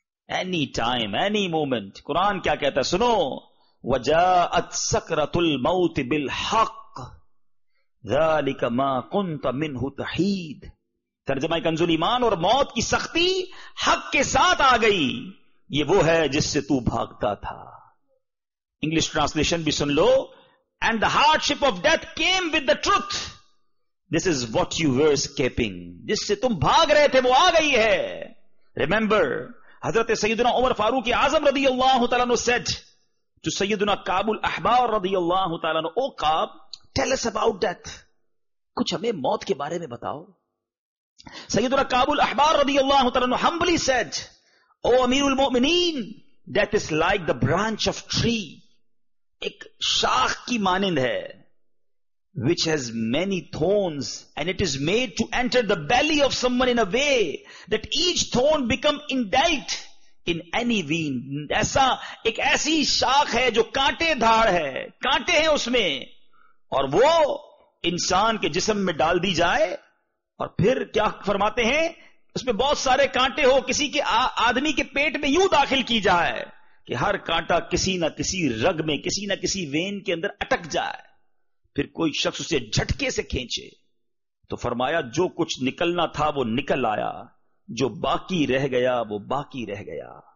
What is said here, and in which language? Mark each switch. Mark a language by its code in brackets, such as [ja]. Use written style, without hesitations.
[hi] Any time any moment. Quran क्या कहता है सुनो, [ar] वजाअत सकरतुल मौत बिल हक ذلك ما كنت منه تحيد. [hi] तर्जमा कंजुल ईमान, और मौत की सख्ती हक के साथ आ गई, ये वो है जिससे तू भागता था. इंग्लिश ट्रांसलेशन भी सुन लो, [en] And the hardship of death came with the truth. This is what you were escaping. [hi] जिससे तुम भाग रहे थे वो आ गई है. Remember, हजरत सैयदना उमर फारूक आजम रदी अल्लाह तआला ने said to सैयदना काबुल अहबार रदी अल्लाह तआला ने, ओ काब, [en] tell us about death. [hi] कुछ हमें मौत के बारे में बताओ. सैयदना काबुल अहबार रदी अल्लाह तआला ने [en] humbly said, [hi] ओ अमीरुल मोमिनीन, [en] death is like the branch of tree. [hi] एक शाख की मानिंद है. [en] Which has many thorns and it is made to enter the belly of someone in a way that each thorn become indelt in any vein. [hi] ऐसा एक ऐसी शाख है जो कांटेदार है, कांटे हैं उसमें, और वो इंसान के जिस्म में डाल दी जाए और फिर क्या फरमाते हैं, उसमें बहुत सारे कांटे हो, किसी के आदमी के पेट में यूं दाखिल की जाए कि हर कांटा किसी ना किसी रग में, किसी ना किसी वेन के अंदर अटक जाए, फिर कोई शख्स उसे झटके से खींचे तो फरमाया जो कुछ निकलना था वो निकल आया, जो बाकी रह गया वो बाकी रह गया.